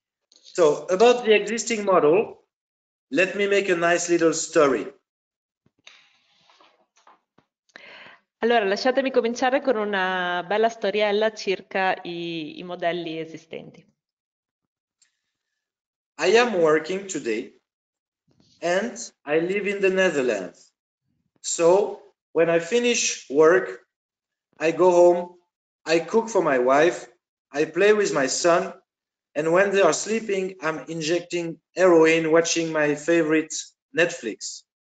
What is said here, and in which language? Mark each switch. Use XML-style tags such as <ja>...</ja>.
<en>So, about the existing model, let me make a nice little story.</en> <it>Allora, lasciatemi cominciare con una bella storiella circa i modelli esistenti.</it> <en>I am working today and I live in the Netherlands. So when I finish work, I go home, I cook for my wife, I play with my son, and when they are sleeping, I'm injecting heroin watching my favorite Netflix.</en>